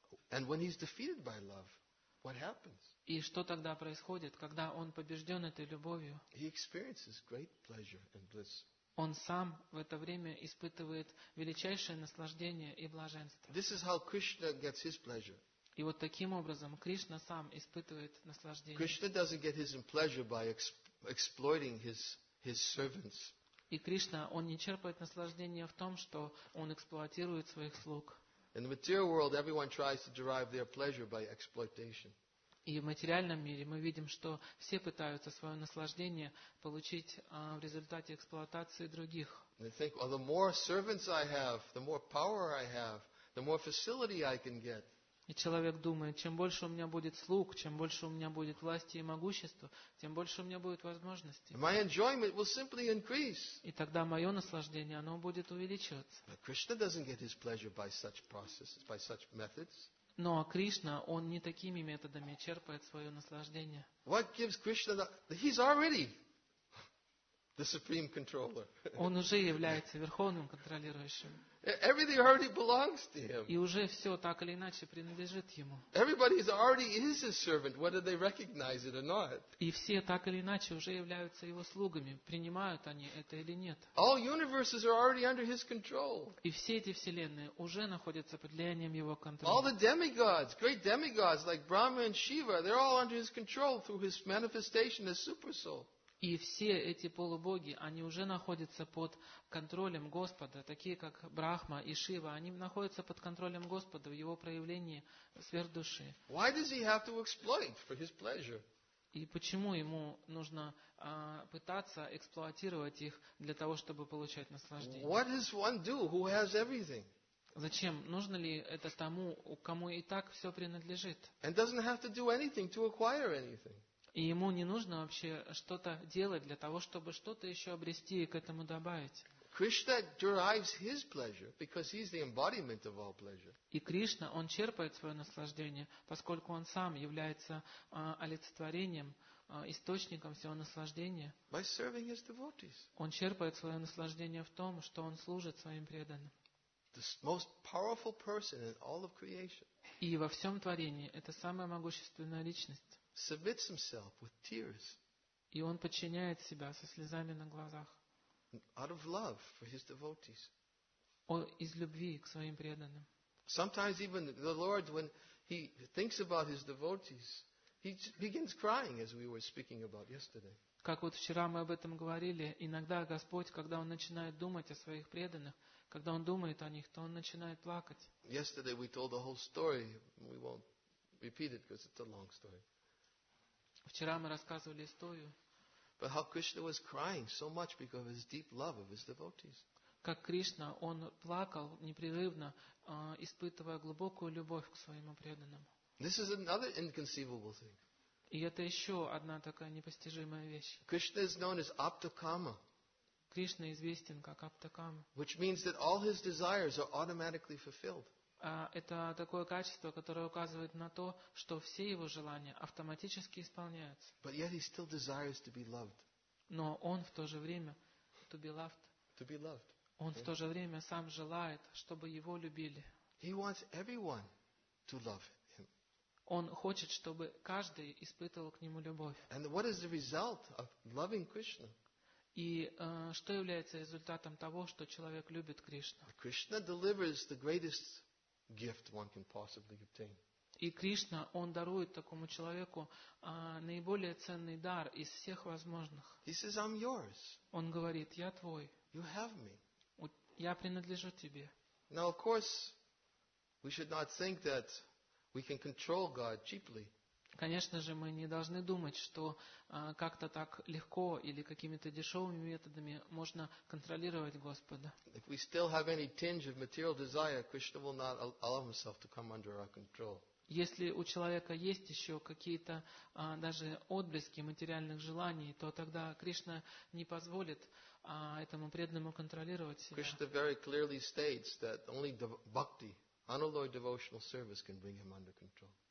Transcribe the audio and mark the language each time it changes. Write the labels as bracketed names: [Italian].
[English] And when he's defeated by love, what happens? [Russian] И что тогда происходит, когда он побежден этой любовью? [English] He experiences great pleasure and bliss. [Russian] Он сам в это время испытывает величайшее наслаждение и блаженство. [English] This is how Krishna gets his pleasure. [Russian] И вот таким образом Кришна сам испытывает наслаждение. [English] Krishna doesn't get his pleasure by exploiting his servants. [Russian] И Кришна, он не черпает наслаждение в том, что он эксплуатирует своих слуг. [English] In the material world, everyone tries to derive their pleasure by exploitation. [Russian] И в материальном мире мы видим, что все пытаются свое наслаждение получить в результате эксплуатации других. [English] They think, well, the more servants I have, the more power I have, the more facility I can get. [Russian] И человек думает, чем больше у меня будет слуг, чем больше у меня будет власти и могущества, тем больше у меня будет возможностей. [English] My enjoyment will simply increase. [Russian] И тогда мое наслаждение, оно будет увеличиваться. [English] But Krishna doesn't get his pleasure by such processes, by such methods. [Russian] Но Кришна, он не такими методами черпает свое наслаждение. [English] What gives Krishna the... He's already the supreme controller. [Russian] Он уже является верховным контролирующим. [English] Everything already belongs to him. [Russian] И уже все так или иначе принадлежит ему. [English] Everybody is already his servant, whether they recognize it or not. [Russian] И все так или иначе уже являются его слугами, принимают они это или нет. [English] All universes are already under his control. [Russian] И все эти вселенные уже находятся под влиянием его контроля. [English] All the demigods, great demigods like Brahma and Shiva, they're all under his control through his manifestation as Supersoul. [Russian] И все эти полубоги, они уже находятся под контролем Господа, такие как Брахма и Шива, они находятся под контролем Господа в его проявлении сверхдуши. [English] Why does he have to exploit for his pleasure? [Russian] И почему ему нужно пытаться эксплуатировать их для того, чтобы получать наслаждение? [English] What does one do who has everything? [Russian] Зачем? Нужно ли это тому, кому и так все принадлежит? [English] And doesn't have to do anything to acquire anything. [Russian] И ему не нужно вообще что-то делать для того, чтобы что-то еще обрести и к этому добавить. [English] Krishna derives his pleasure because he's the embodiment of all pleasure. [Russian] И Кришна, он черпает свое наслаждение, поскольку он сам является олицетворением, источником всего наслаждения. [English] By serving his devotees. [Russian] Он черпает свое наслаждение в том, что он служит своим преданным. [English] The most powerful person in all of creation. [Russian] И во всем творении это самая могущественная личность. [English] Submits himself with tears. [Russian] И он подчиняет себя со слезами на глазах. [English] Out of love for his devotees. [Russian] Из любви к своим преданным. [English] Sometimes even the Lord, when he thinks about his devotees, he begins crying, as we were speaking about yesterday. [Russian] Как вот вчера мы об этом говорили, иногда Господь, когда он начинает думать о своих преданных, когда он думает о них, то он начинает плакать. [English] Yesterday we told the whole story. We won't repeat it because it's a long story. [Russian] Вчера мы рассказывали историю. [English] But how Krishna was crying so much because of his deep love of his devotees. [Russian] Как Кришна, он плакал непрерывно, испытывая глубокую любовь к своему преданному. [English] This is another inconceivable thing. [Russian] И это еще одна такая непостижимая вещь. [English] Krishna is known as Aptakama. [Russian] Кришна известен как Аптакама. [English] Which means that all his desires are automatically fulfilled. [Russian] Это такое качество, которое указывает на то, что все его желания автоматически исполняются. [English] But yet he still desires to be loved. [Russian] Но он в то же время [English] to be loved. To be loved. [Russian] Он в то же время сам желает, чтобы его любили. [English] He wants everyone to love him. [Russian] Он хочет, чтобы каждый испытывал к нему любовь. [English] And what is the result of loving Krishna? [Russian] И что является результатом того, что человек любит Кришну? [English] Krishna delivers the greatest gift one can possibly obtain. [Russian] И Кришна, он дарует такому человеку наиболее ценный дар из всех возможных. [English] He says, I'm yours. [Russian] Он говорит, я твой. [English] You have me. [Russian] Я принадлежу тебе. [English] Now, of course, we should not think that we can control God cheaply. [Russian] Конечно же, мы не должны думать, что как-то так легко или какими-то дешевыми методами можно контролировать Господа. [English] If we still have any tinge of material desire, Krishna will not allow himself to come under our control. [Russian] Если у человека есть еще какие-то даже отблески материальных желаний, то тогда Кришна не позволит этому преданному контролировать себя. [English] Krishna very clearly states that only bhakti, unalloyed devotional service can bring him under control.